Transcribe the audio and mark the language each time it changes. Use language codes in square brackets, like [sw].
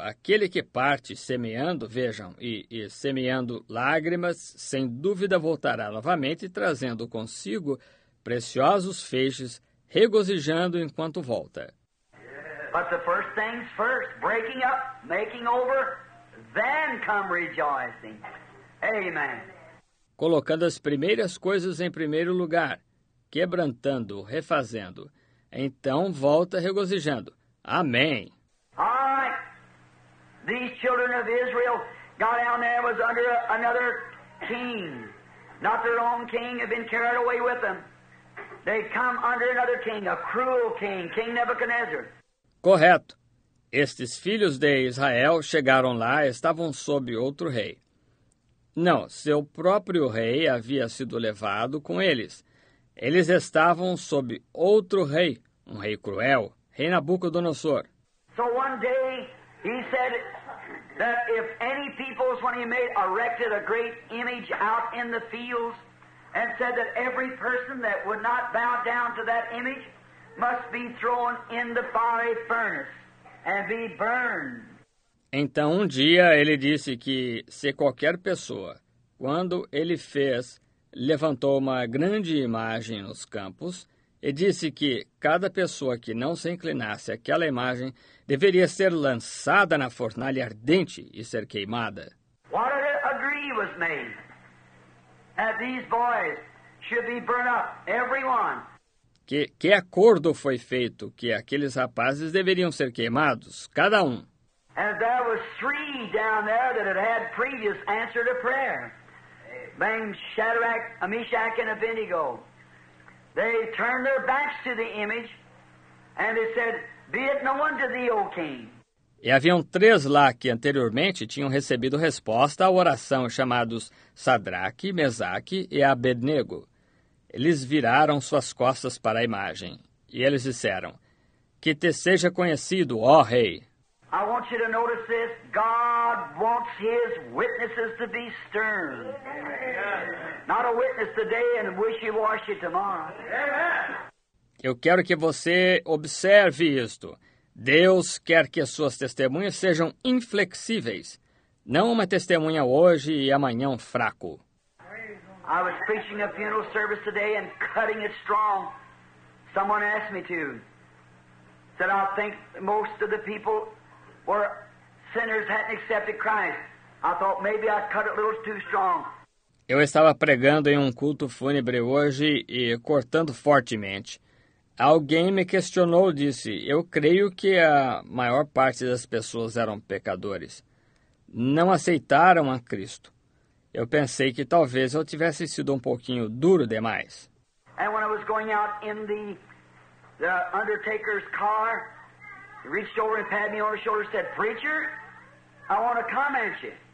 [pt] Aquele que parte semeando, vejam, e semeando lágrimas, sem dúvida voltará novamente, trazendo consigo preciosos feixes, regozijando enquanto volta. [en] But the first things first, breaking up, making over, then come rejoicing. Amen. [pt] Colocando as primeiras coisas em primeiro lugar, quebrantando, refazendo, então volta regozijando. Amém. [en] These children of Israel got down there was under another king. Not their own king had been carried away with them. They come under another king, a cruel king, King Nebuchadnezzar. [pt] Correto. Estes filhos de Israel chegaram lá e estavam sob outro rei. Não, seu próprio rei havia sido levado com eles. Eles estavam sob outro rei, um rei cruel, rei Nabucodonosor. [en] So one day he said that if any peoples, when he made, erected a great image out in the fields and said that every person that would not bow down to that image must be thrown in the fiery furnace and be burned. [pt] Então, um dia, ele disse que se qualquer pessoa, quando ele fez, levantou uma grande imagem nos campos, e disse que cada pessoa que não se inclinasse àquela imagem deveria ser lançada na fornalha ardente e ser queimada. [en] What a agree was made that these boys should be burnt up, everyone. [pt] Que acordo foi feito que aqueles rapazes deveriam ser queimados, cada um. [en] And there was three down there that had had previous answer to prayer. Being Shadrach, Meshach, and Abednego. They turned their backs to the image, and they said, be it known to thee, O King. [pt] E haviam três lá que anteriormente tinham recebido resposta à oração, chamados Sadraque, Mesaque e Abednego. Eles viraram suas costas para a imagem, e eles disseram, que te seja conhecido, ó rei. [en] I want you to notice this. God wants his witnesses to be stern. Amen. Not a witness today and wishy-washy tomorrow. Amen. [pt] Eu quero que você observe isto. Deus quer que as suas testemunhas sejam inflexíveis. Não uma testemunha hoje e amanhã um fraco. [en] I was preaching a funeral service today and cutting it strong. Someone asked me to. Said, I think most of the people were sinners hadn't accepted Christ. I thought maybe I cut it a little too strong. [pt] Eu estava pregando em um culto fúnebre hoje e cortando fortemente. Alguém me questionou, disse, eu creio que a maior parte das pessoas eram pecadores. não aceitaram a Cristo. Eu pensei que talvez eu tivesse sido um pouquinho duro demais. [en] And when I was going out in the undertaker's car, he reached over and patted me on the shoulder and said, "Preacher, I want to comment you."